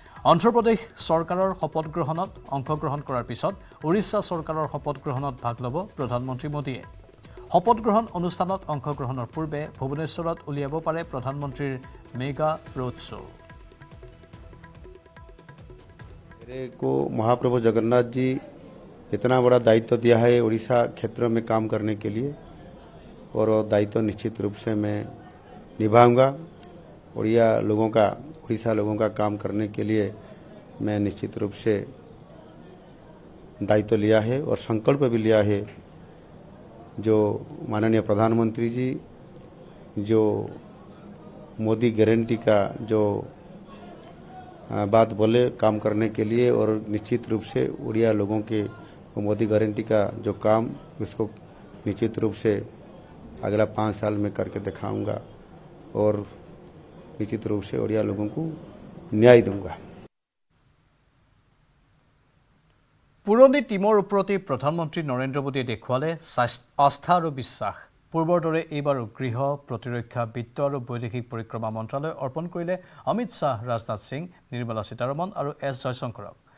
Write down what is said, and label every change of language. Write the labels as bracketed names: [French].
[Assamese] অন্ধ্রপ্রদেশ সরকারের শপথ গ্রহণত অংশগ্রহণ করার পিছত উড়িষ্যা সরকারের শপথ গ্রহণত ভাগ লব প্রধানমন্ত্রী মোদীয়ে। শপথ গ্রহণ অনুষ্ঠানত অংশগ্রহণের পূর্বে ভুবনেশ্বরত উলিয়াব পারে প্রধানমন্ত্রীর মেগা রোড শো। [Hindi] को महाप्रभु जगन्नाथ जी इतना बड़ा दायित्व दिया है उड़ीसा क्षेत्र में काम करने के लिए, और दायित्व निश्चित रूप से मैं निभाऊंगा। उड़िया लोगों का, उड़ीसा लोगों का काम करने के लिए मैं निश्चित रूप से दायित्व लिया है और संकल्प भी लिया है। जो माननीय प्रधानमंत्री जी, जो मोदी गारंटी का जो बात बोले काम करने के लिए, और निश्चित रूप से उड़िया लोगों के मोदी गारंटी का जो काम, उसको निश्चित रूप से अगला 5 साल में करके दिखाऊंगा और निश्चित रूप से उड़िया लोगों को न्याय दूंगा। [Assamese] পুৰণি টীমৰ ওপৰতে প্ৰধানমন্ত্ৰী নৰেন্দ্ৰ মোদীয়ে দেখুৱালে আস্থা আৰু বিশ্বাস। পূৰ্বৰ দৰে এইবাৰো গৃহ, প্ৰতিৰক্ষা, বিত্ত আৰু বৈদেশিক পৰিক্ৰমা মন্ত্ৰালয় অৰ্পণ কৰিলে অমিত শ্বাহ, ৰাজনাথ সিং, নিৰ্মলা সীতাৰমণ আৰু এছ জয়শংকৰক।